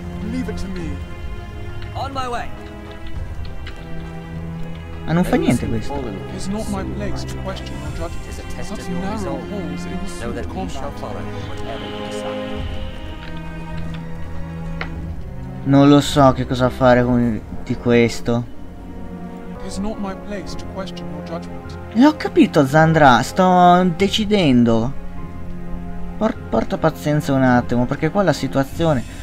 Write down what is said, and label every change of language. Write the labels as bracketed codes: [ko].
[en] Leave it to me. On my way. [it] Ma non fa niente questo. [en] It's not my place to question or judge. It's a test of your resolve. Know that we shall follow whatever you decide. [it] Non lo so che cosa fare con di questo. [en] It's not my place to question or judge. [it] L'ho capito, Zandra, sto decidendo. Porta pazienza un attimo, perché qua la situazione.